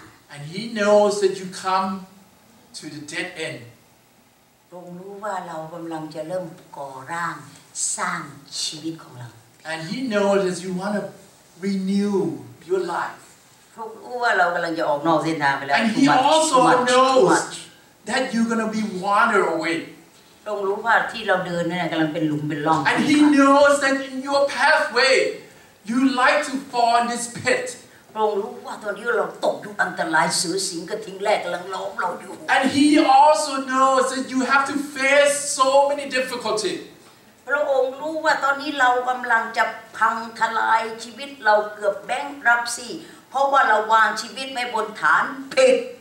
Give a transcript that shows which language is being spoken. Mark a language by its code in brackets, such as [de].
[en] And he knows that you comeTo the dead end. [th] พระองค์รู้ว่าเรากำลังจะเริ่มก่อร่างสร้างชีวิตของเรา [en] And He knows that you want to renew your life. [th] พระองค์รู้ว่าเรากำลังจะออกนอกเส้นทางไปแล้ว [en] And He also knows that you're gonna be wandered away. [th] พระองค์รู้ว่าที่เราเดินนั้นกำลังเป็นหลุมเป็นร่อง [en] And He knows that in your pathway, you like to fall in this pit. [th] พระองค์รู้ว่าตอนที่เราตกอยู่อันตรายเสือสิงกระทิงแรกกำลังล้อมเราอยู่ [en] And he also knows that you have to face so many difficulties [th] พระองค์รู้ว่าตอนนี้เรากำลังจะพังทลายชีวิตเราเกือบแบงค์รับซี่เพราะว่าเราวางชีวิตไม่บนฐานผิด